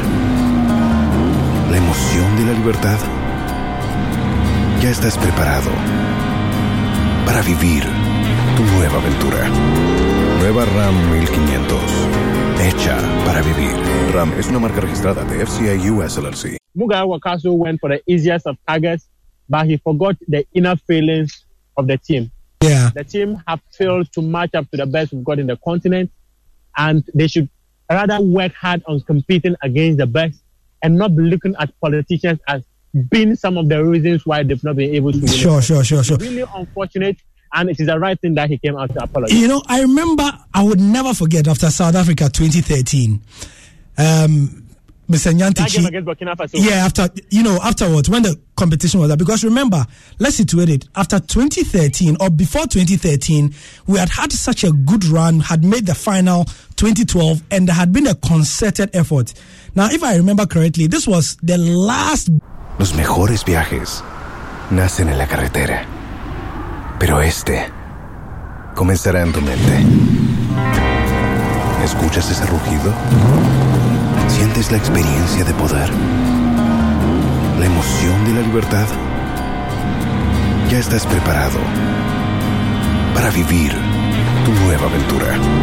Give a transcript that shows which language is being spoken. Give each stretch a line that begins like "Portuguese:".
Spanish: ¿La emoción de la libertad? Ya estás preparado para vivir tu nueva aventura. Nueva Ram 1500. Hecha para vivir. Ram es una marca registrada de FCA US LLC.
English: Muga Wakasu went for the easiest of targets, but he forgot the inner feelings of the team. Yeah. The team have failed to match up to the best we've got in the continent, and they should rather work hard on competing against the best and not be looking at politicians as been some of the reasons why they've not been able to win. Sure. Really unfortunate, and it is the right thing that he came out to apologize. You know, I remember, I would never forget, after South Africa 2013, Mr. Nyantichi, that game against Burkina Faso. Yeah, afterwards, when the competition was up, because remember, let's situate it, after 2013, or before 2013, we had such a good run, had made the final 2012, and there had been a concerted effort. Now, if I remember correctly, this was the last...
Spanish: Los mejores viajes nacen en la carretera, pero este comenzará en tu mente. ¿Escuchas ese rugido? ¿Sientes la experiencia de poder? ¿La emoción de la libertad? Ya estás preparado para vivir tu nueva aventura.